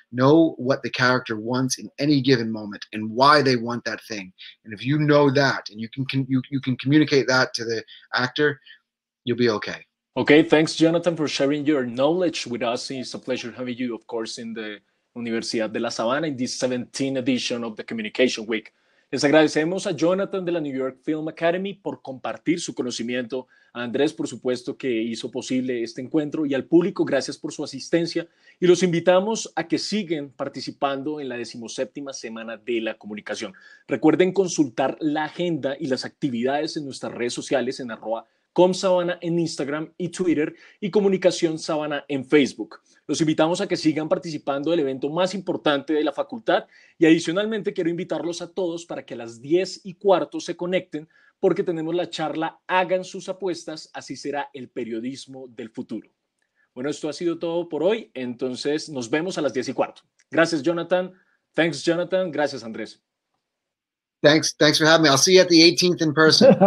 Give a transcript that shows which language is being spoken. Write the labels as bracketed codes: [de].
[en] Know what the character wants in any given moment and why they want that thing. And if you know that and you can communicate that to the actor, you'll be okay. Okay, thanks, Jonathan, for sharing your knowledge with us. It's a pleasure having you, of course, in the Universidad de La Sabana in this 17th edition of the Communication Week. [es] Les agradecemos a Jonathan de la New York Film Academy por compartir su conocimiento, a Andrés, por supuesto, que hizo posible este encuentro, y al público, gracias por su asistencia, y los invitamos a que sigan participando en la 17ª Semana de la Comunicación. Recuerden consultar la agenda y las actividades en nuestras redes sociales en @ComSabana en Instagram y Twitter y Comunicación Sabana en Facebook. Los invitamos a que sigan participando del evento más importante de la facultad y adicionalmente quiero invitarlos a todos para que a las 10:15 se conecten porque tenemos la charla Hagan sus apuestas, así será el periodismo del futuro. Bueno, esto ha sido todo por hoy, entonces nos vemos a las 10:15. Gracias, Jonathan. [en] Thanks, Jonathan. [es] Gracias, Andrés. [en] Thanks. Thanks for having me. I'll see you at the 18th in person.